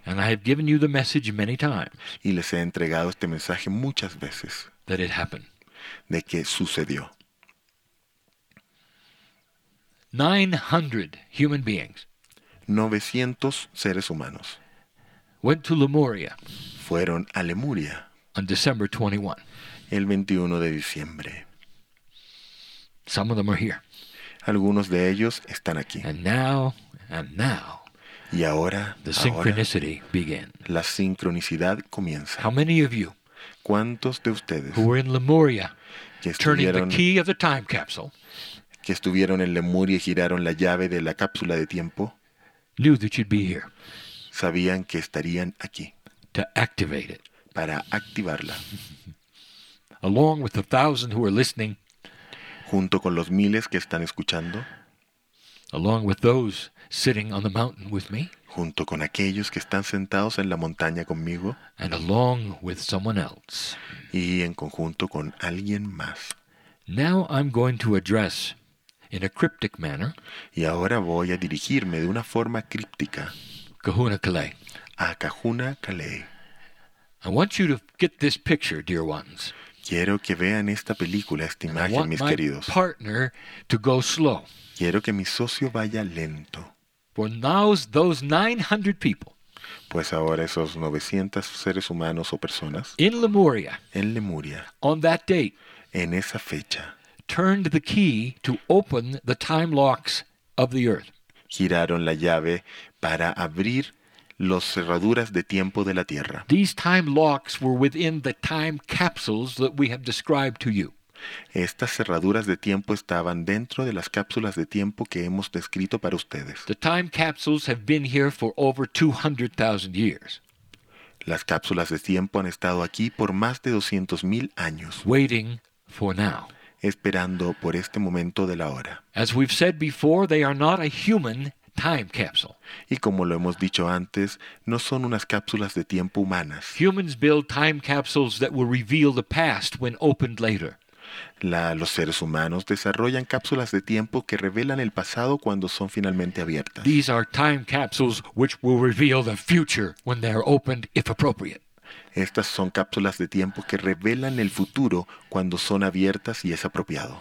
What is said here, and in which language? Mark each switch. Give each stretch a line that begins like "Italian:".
English: And I have given you the message many times.
Spanish: Y les he entregado este mensaje muchas veces.
English: That it happened.
Spanish: De que sucedió.
English: 900 human beings.
Spanish: 900 seres humanos.
English: Went to Lemuria.
Spanish: Fueron a Lemuria.
English: On December 21.
Spanish: El 21 de diciembre.
English: Some of them are here.
Spanish: Algunos de ellos están aquí.
English: And now.
Spanish: Y ahora.
English: The synchronicity begins.
Spanish: La sincronicidad comienza.
English: How many of you?
Spanish: ¿Cuántos de ustedes?
English: Who were in Lemuria?
Spanish: Que estuvieron.
English: Turning the key of the time capsule.
Spanish: Que estuvieron en Lemuria y giraron la llave de la cápsula de tiempo.
English: Knew that you'd be here.
Spanish: Sabían que estarían aquí.
English: To activate it.
Spanish: Para activarla.
English: Along with the thousand who are listening.
Spanish: Junto con los miles que están escuchando.
English: Along with those sitting on the mountain with me.
Spanish: Junto con aquellos que están sentados en la montaña conmigo.
English: And along with someone else.
Spanish: Y en conjunto con alguien más.
English: Now I'm going to address in a cryptic manner.
Spanish: Y ahora voy a dirigirme de una forma críptica.
English: Kahuna Kale.
Spanish: A Kahuna Kale.
English: I want you to get this picture, dear ones.
Spanish: Quiero que vean esta película, esta imagen, mis queridos.
English: I want my partner to go slow.
Spanish: Quiero que mi socio vaya lento.
English: For now, those 900 people.
Spanish: Pues ahora esos 900 seres humanos o personas.
English: In Lemuria.
Spanish: En Lemuria.
English: On that date.
Spanish: En esa fecha.
English: Turned the key to open the time locks of the earth.
Spanish: Giraron la llave para abrir las cerraduras de tiempo de la Tierra.
English: These time locks were within the time capsules that we have described to you.
Spanish: Estas cerraduras de tiempo estaban dentro de las cápsulas de tiempo que hemos descrito para ustedes.
English: The time capsules have been here for over 200,000 years.
Spanish: Las cápsulas de tiempo han estado aquí por más de 200,000 años.
English: Waiting for now.
Spanish: Esperando por este momento de la hora.
English: As we've said before, they are not a human time capsule.
Spanish: Y como lo hemos dicho antes, no son unas cápsulas de tiempo humanas.
English: Humans build time capsules that will reveal the past when opened later.
Spanish: Los seres humanos desarrollan cápsulas de tiempo que revelan el pasado cuando son finalmente abiertas.
English: These are time capsules which will reveal the future when they are opened, if appropriate.
Spanish: Estas son cápsulas de tiempo que revelan el futuro cuando son abiertas y es apropiado.